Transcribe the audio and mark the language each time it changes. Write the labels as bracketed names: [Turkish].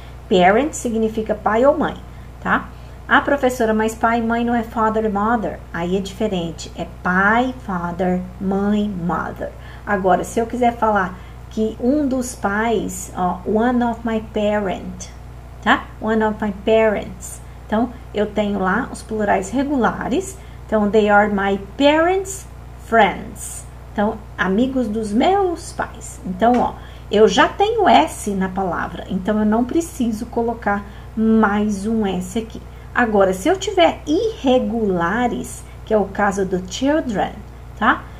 [Portuguese] Parent significa pai ou mãe, tá? Ah, professora, mas pai e mãe não é father e mother? Aí é diferente. É pai, father, mãe, mother. Agora, se eu quiser falar que um dos pais, ó, [English] one of my parents, [Portuguese] tá? [English] One of my parents. [Portuguese] Então, eu tenho lá os plurais regulares. Então, [English] they are my parents' friends. [Portuguese] Então, amigos dos meus pais. Então, ó, eu já tenho S na palavra. Então, eu não preciso colocar mais um S aqui. Agora, se eu tiver irregulares, que é o caso do children, tá?